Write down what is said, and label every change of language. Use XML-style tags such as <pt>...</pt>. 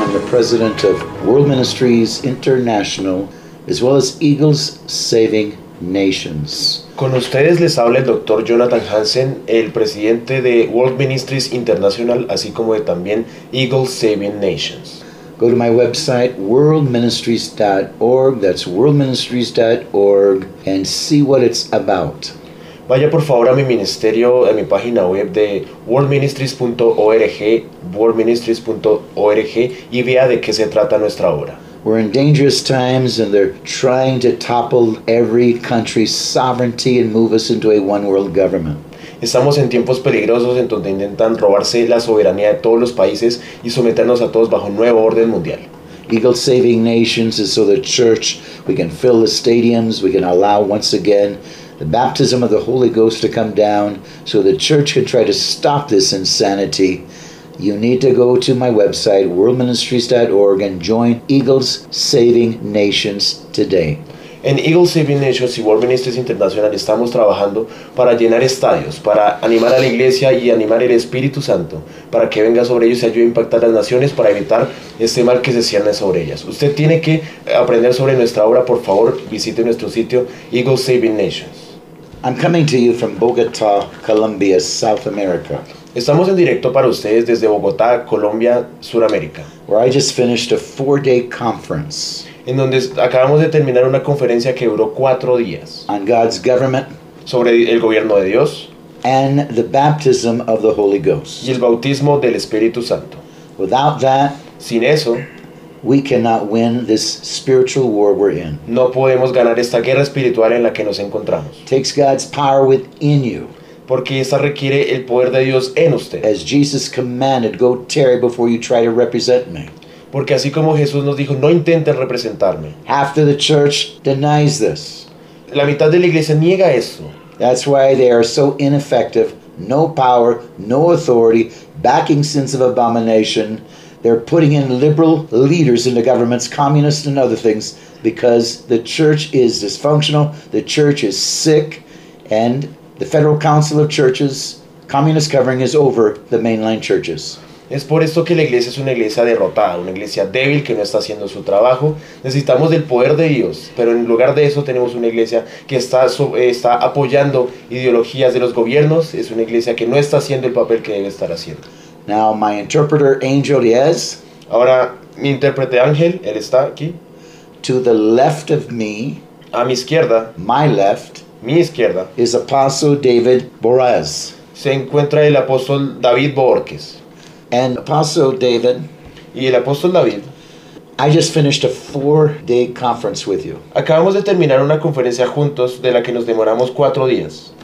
<en>I'm the president of World Ministries International, as well as Eagles Saving Nations.</en> <es>Con ustedes les habla el Dr. Jonathan Hansen, el presidente de World Ministries International, así como de también Eagles Saving Nations.</es> <en>Go to my website, worldministries.org, that's worldministries.org, and see what it's about.</en> <es>Vaya por favor a mi ministerio, a mi página web de worldministries.org, worldministries.org, y vea de qué se trata nuestra obra.</es> <en>We're in dangerous times and they're trying to topple every country's sovereignty and move us into a one world government.</en> <es>Estamos en tiempos peligrosos en donde intentan robarse la soberanía de todos los países y someternos a todos bajo un nuevo orden mundial.</es> <en>Eagle Saving Nations is so the church, we can fill the stadiums, we can allow once again the baptism of the Holy Ghost to come down so the church can try to stop this insanity. You need to go to my website, worldministries.org, and join Eagles Saving Nations today.</en> <es>En Eagles Saving Nations y World Ministries International estamos trabajando para llenar estadios, para animar a la iglesia y animar el Espíritu Santo, para que venga sobre ellos y ayude a impactar las naciones para evitar este mal que se cierne sobre ellas. Usted tiene que aprender sobre nuestra obra, por favor, visite nuestro sitio Eagles Saving Nations.</es> <en>I'm coming to you from Bogotá, Colombia, South America.</en> <es>Estamos en directo para ustedes desde Bogotá, Colombia, Suramérica.</es> <en>Where I just finished a 4-day conference.</en> <es>En donde acabamos de terminar una conferencia que duró 4 días.</es> <en>On God's government.</en> <es>Sobre el gobierno de Dios.</es> <en>And the baptism of the Holy Ghost.</en> <es>Y el bautismo del Espíritu Santo.</es> <en>Without that,</en> <es>sin eso,</es> <en>we cannot win this spiritual war we're in.</en> <es>No podemos ganar esta guerra espiritual en la que nos encontramos.</es> <en>Takes God's power within you.</en> <es>Porque esa requiere el poder de Dios en usted.</es> <en>As Jesus commanded, go tarry before you try to represent me.</en> <es>Porque así como Jesús nos dijo, no intenten representarme.</es> <en>Half the church denies this.</en> <es>La mitad de la iglesia niega eso.</es> <en>That's why they are so ineffective. No power, no authority, backing sins of abomination. They're putting in liberal leaders into governments, communists and other things, because the church is dysfunctional, the church is sick, and the Federal Council of Churches, communist covering is over the mainline churches.</en> <es>Es por esto que la iglesia es una iglesia derrotada, una iglesia débil que no está haciendo su trabajo. Necesitamos del poder de Dios, pero en lugar de eso tenemos una iglesia que está apoyando ideologías de los gobiernos. Es una iglesia que no está haciendo el papel que debe estar haciendo.</es> <en>Now my interpreter angel is.</en> <es>Ahora mi intérprete ángel, él está aquí.</es> <en>To the left of me.</en> <es>A mi izquierda.</es> <en>My left.</en> <es>Mi izquierda.</es> <en>Is Apostle David Borges.</en> <es>Se encuentra el apóstol David Borges.</es> <en>And Apostle David,</en> <es>y el apóstol David,</es> <en>I just finished a 4-day conference with you.</en> <es>Acabamos de terminar una conferencia juntos de la que nos demoramos 4 días.</es>